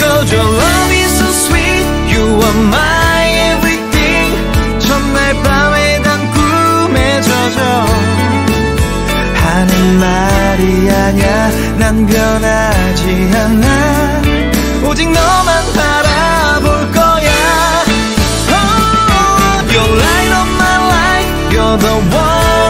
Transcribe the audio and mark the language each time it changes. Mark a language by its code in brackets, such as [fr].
[en] Your love is so sweet, you are my everything. [ko] 첫날 밤에 난 꿈에 젖어 하는 말이 아냐, 난 변하지 않아. 오직 너만 바라볼 거야. [en] Oh, your light of my life, you're the one.